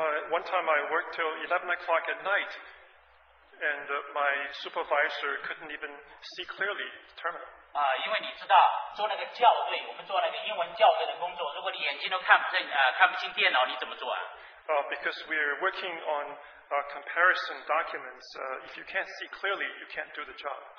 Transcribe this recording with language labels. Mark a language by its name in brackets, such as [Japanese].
[English] One time I worked till 11 o'clock at night, and my supervisor couldn't even see clearly the terminal. [Chinese] 因为你知道做那个校对，我们做那个英文校对的工作，如果你眼睛都看不见电脑，你怎么做啊？ [English] Because we're working on comparison documents, if you can't see clearly, you can't do the job.